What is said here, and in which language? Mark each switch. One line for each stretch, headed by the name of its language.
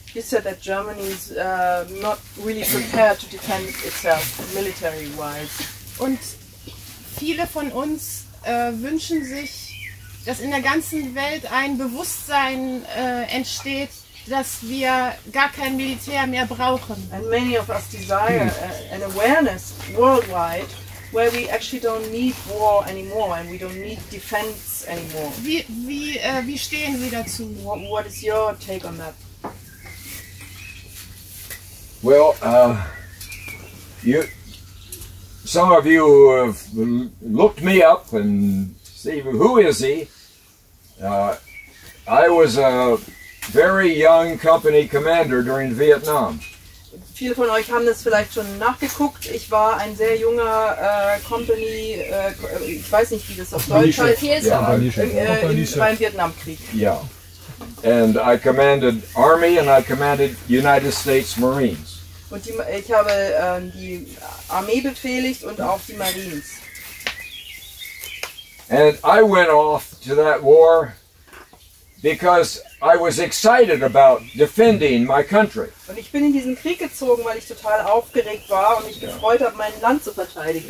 English: You said that Germany is not really prepared to defend itself military-wise.
German: Und viele von uns wünschen sich, dass in der ganzen Welt ein Bewusstsein entsteht, dass wir gar kein Militär mehr brauchen.
English: And many of us desire an awareness worldwide where we actually don't need war anymore and we don't need defense anymore.
German: Wie stehen Sie dazu?
English: What is your take on that? Well, some of you have looked me up and see who is he. I was a very young company commander during Vietnam.
German: Viele von euch haben das vielleicht schon nachgeguckt. Ich war ein sehr junger Company. Ich weiß nicht, wie das auf Deutsch heißt. Beim Vietnamkrieg.
English: Yeah. And I commanded Army and I commanded United States Marines.
German: Und ich habe die Armee befehligt und auch die Marines.
English: And I went off to that war because I was excited about defending my country.
German: Und ich bin in diesen Krieg gezogen, weil ich total aufgeregt war und mich gefreut habe, mein Land zu verteidigen.